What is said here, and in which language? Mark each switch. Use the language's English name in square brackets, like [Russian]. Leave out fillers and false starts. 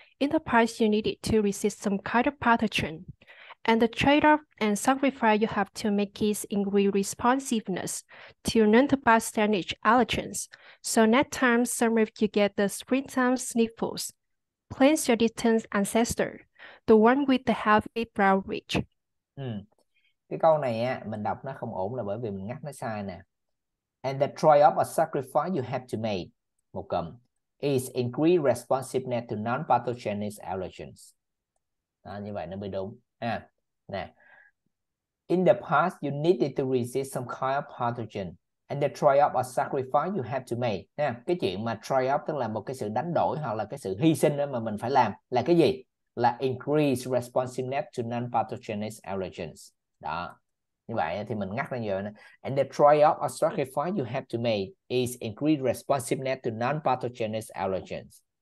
[English] In the price, you need it to resist some kind of pathogen. And the trade-off and sacrifice you have to make is increase responsiveness to non-pathogenic allergens. So next time, some of you get the springtime sniffles. Cleanse your distant ancestor, the one with the heavy brow ridge. [Vietnamese] Cái câu này á, mình đọc nó không ổn là bởi vì mình ngắt nó sai nè. [English] And the trade-off or sacrifice you have to make, [Vietnamese] một cầm, [English] is increase responsiveness to non-pathogenic allergens. [Vietnamese] Đó, như vậy nó mới đúng. À, nè. [English] In the past, you needed to resist some kind of pathogen. And the trade-off or sacrifice you have to make. [Vietnamese] Nè, cái chuyện mà trade-off tức là một cái sự đánh đổi hoặc là cái sự hy sinh mà mình phải làm là cái gì? [English] Là increase responsiveness to non-pathogenic allergens. Đó. [Vietnamese] Như vậy thì mình ngắt ra nhiều. [English] And the trade-off or sacrifice you have to make is increase responsiveness to non-pathogenic allergens.